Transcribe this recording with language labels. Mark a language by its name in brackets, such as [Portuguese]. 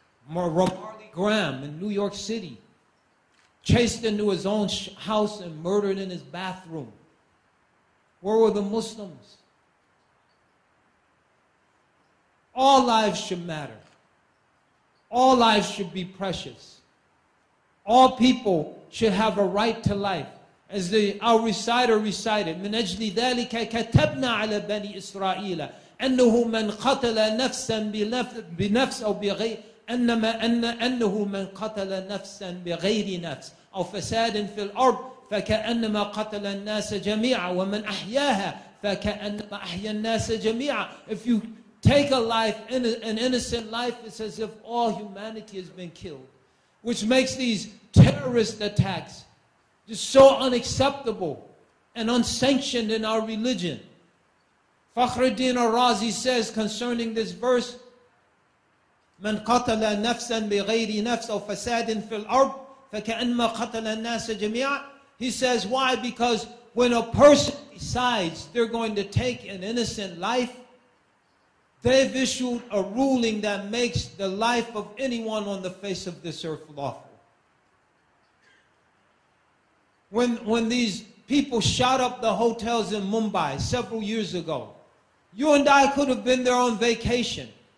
[English] Graham in New York City, chased into his own house and murdered in his bathroom. Where were the Muslims? All lives should matter. All lives should be precious. All people should have a right to life. As the our reciter recited, [Arabic] مِنْ أَجْلِ ذَلِكَ كَتَبْنَا عَلَى بَنِي إِسْرَائِيلَ أَنَّهُ مَنْ قَتَلَ نَفْسًا بِنَفْسٍ أَوْ بِغَيْرٍ أنما أنه من قتل نفسا بغير نفس أو فساد في الأرض فكأنما قتل الناس جميعا ومن أحياها فكأنما أحيا الناس جميعا. [English] If you take a life, an innocent life, it's as if all humanity has been killed, which makes these terrorist attacks just so unacceptable and unsanctioned in our religion. Fakhruddin al-Razi says concerning this verse, [Arabic] من قتل نفسا بغير نفس أو فساد في الأرض فكأنما قتل الناس جميعا. [English] He says, why? Because when a person decides they're going to take an innocent life, they've issued a ruling that makes the life of anyone on the face of this earth lawful. When these people shot up the hotels in Mumbai several years ago, you and I could have been there on vacation.